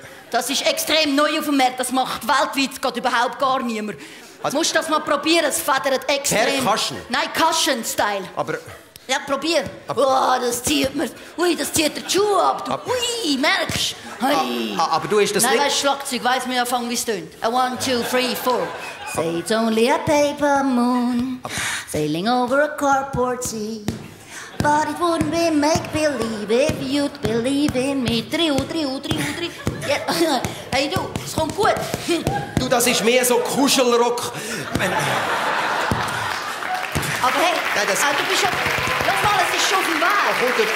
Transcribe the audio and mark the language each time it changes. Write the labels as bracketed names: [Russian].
[German] Das ist extrem neu auf dem Markt. Das macht weltweit gerade überhaupt gar niemand. Also, musst du das mal probieren? Es federt extrem. Per Cushion? Nein, Cushion Style. Aber. Ja, probier. Aber, oh, das zieht mir. Ui, das zieht der Schuh ab. Du, aber, ui, merkst du? Aber du hast das nein, nicht. Nein, Schlagzeug, weiss mir am Anfang, wie es tönt. [English] A one, two, three, four. Say it's only a paper moon. Sailing over a cardboard sea. But it wouldn't be make-believe if you'd believe in me. [German] Triu, triu, triu, triu. Yeah. Hey du, es kommt gut. Du, das ist mehr so Kuschelrock. Aber hey, nein, das... du bist ja... Lass mal, es ist schon auf dem Weg.